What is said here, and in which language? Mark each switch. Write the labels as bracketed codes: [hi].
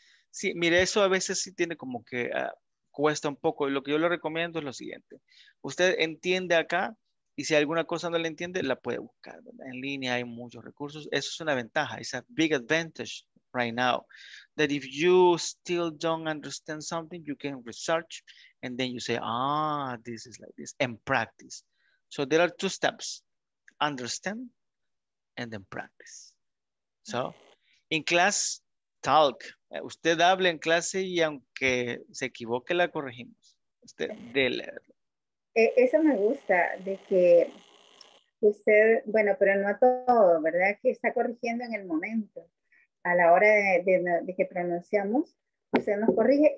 [es] Sí, mire, eso a veces sí tiene como que cuesta un poco. Lo que yo le recomiendo es lo siguiente. Usted entiende acá y si alguna cosa no le entiende, la puede buscar, ¿verdad? En línea hay muchos recursos. Eso es una ventaja. [en] It's a big advantage right now. That if you still don't understand something, you can research and then you say, this is like this, and practice. So there are two steps, understand and then practice. So in class, talk. [es] Usted hable en clase y aunque se equivoque, la corregimos. Usted de leerlo. Eso me gusta, de que usted, bueno, pero no a todo, ¿verdad? Que está corrigiendo en el momento. A la hora de que pronunciamos, usted nos corrige.